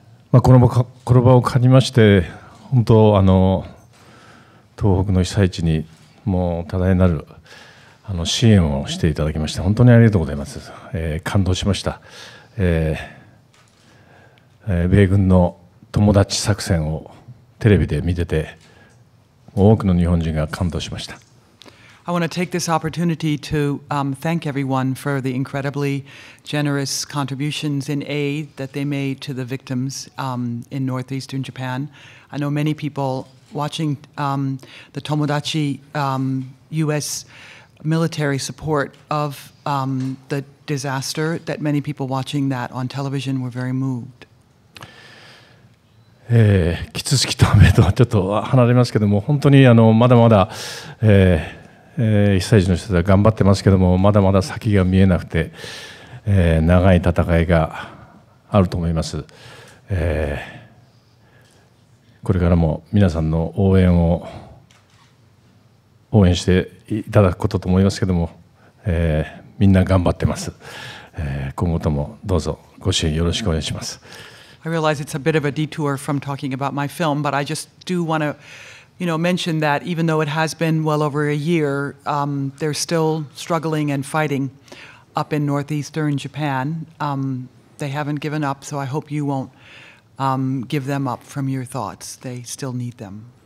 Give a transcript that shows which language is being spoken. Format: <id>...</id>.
<ja>この場を借りまして、本当東北の被災地にもう多大なる支援をしていただきまして、本当にありがとうございます。感動しました。米軍の友達作戦をテレビで見てて、多くの日本人が感動しました。</ja> <en>I want to take this opportunity to thank everyone for the incredibly generous contributions in aid that they made to the victims in northeastern Japan. I know many people watching the Tomodachi U.S. military support of the disaster, that many people watching that on television were very moved.</en> <ja>キツツキと雨とはちょっと離れますけども、本当にまだまだ被災地の人たちは頑張ってますけども、まだまだ先が見えなくて、長い戦いがあると思います。これからも皆さんの応援していただくことと思いますけども、みんな頑張ってます。今後ともどうぞご支援よろしくお願いします。</ja> <en>I realize it's a bit of a detour from talking about my film, but I just do want to mention that even though it has been well over a year, they're still struggling and fighting up in northeastern Japan. They haven't given up, so I hope you won't give them up from your thoughts. They still need them.</en>